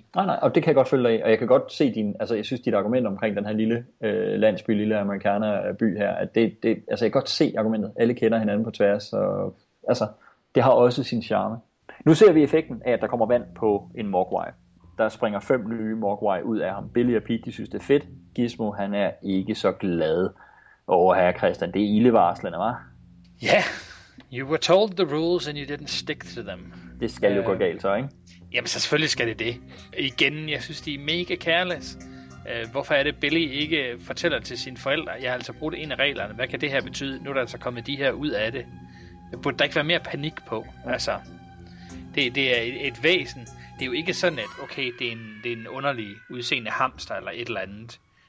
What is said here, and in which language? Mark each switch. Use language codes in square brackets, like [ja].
[da] Nej, og det kan jeg godt følge dig af, og jeg kan godt se din, altså jeg synes, dit argument omkring den her lille landsby, lille amerikaner by her, at det, altså jeg kan godt se argumentet, alle kender hinanden på tværs, og altså, det har også sin charme. Nu ser vi effekten af, at der kommer vand på en mogwai. Der springer 5 nye mogwai ud af ham. Billy og Pete, de synes, det er fedt. Gizmo, han er ikke så glad. Åh, herre Christian, det er ildevarslende, hva'? Ja, yeah. [en] You were told the rules and you didn't stick to them. [da] Det skal jo gå galt så, ikke? Jamen så selvfølgelig skal det. Igen, jeg synes de er mega careless. Hvorfor er det Billy ikke fortæller til sine forældre? Jeg har altså brugt en af reglerne. Hvad kan det her betyde? Nu er der altså kommet de her ud af det. Burde der ikke være mere panik på? Altså, det er et væsen. Det er jo ikke sådan at okay, det er en underlig udseende hamster eller et eller andet.